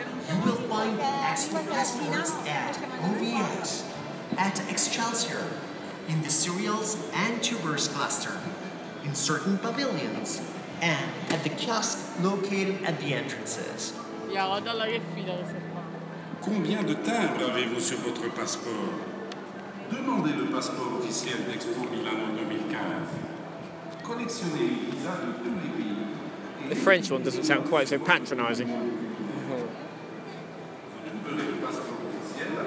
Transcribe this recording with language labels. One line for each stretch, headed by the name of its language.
English: You will find the Expo passports at OVX, at Excelsior, in the cereals and tubers cluster. In certain pavilions and at the kiosk located at the entrances.
French: Combien de timbres avez-vous sur votre passeport? Demandez le passeport officiel d'Expo Milano 2015. Collectionnez les visas de tous les pays.
English: The French one doesn't sound quite so patronizing.
French: Vous trouverez le passeport officiel à